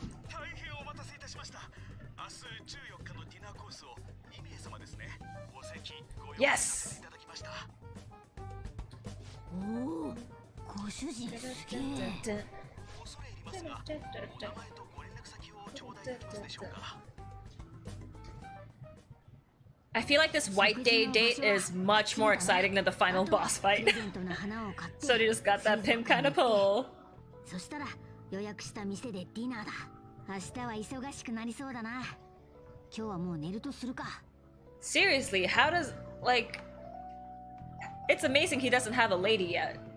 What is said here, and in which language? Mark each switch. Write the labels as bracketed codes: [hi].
[ja] 大変お待たせいたしました。明日14日のディナーコースを2名様ですね。 [en] Yes. [ja] Oh, ご主人すげえ。恐れ入りますが、お名前とご連絡先を頂戴できますでしょうか。 [en] I feel like this white day date is much more exciting than the final boss fight. So you just got that pimp kind of pull. [ja] そしたら予約した店でディナーだ。明日は忙しくなりそうだな。今日はもう寝るとするか。 [en] Seriously, how does, like, it's amazing he doesn't have a lady yet.